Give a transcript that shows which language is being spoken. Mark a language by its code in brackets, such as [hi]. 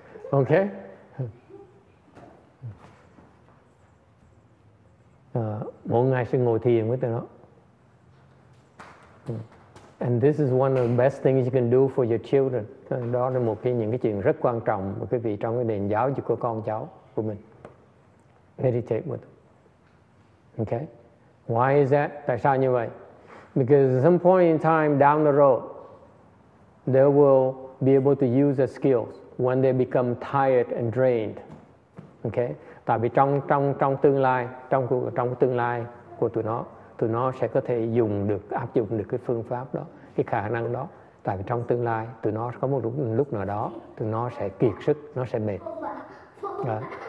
[en] Okay. [vi] Mỗi ngày sẽ ngồi thiền với tụi nó. [en] And this is one of the best things you can do for your children. [vi] Đó là một cái những cái chuyện rất quan trọng của quý vị trong cái nền giáo dục của con cháu của mình. [en] Meditate with them. Okay. Why is that? [vi] Tại sao như vậy? [en] Because at some point in time down the road, they will be able to use their skills when they become tired and drained. Okay? [vi] Tại vì trong tương lai của tụi nó sẽ có thể áp dụng được cái phương pháp đó, cái khả năng đó. Tại vì trong tương lai, tụi nó có một lúc nào đó, tụi nó sẽ kiệt sức, nó sẽ mệt. Đó.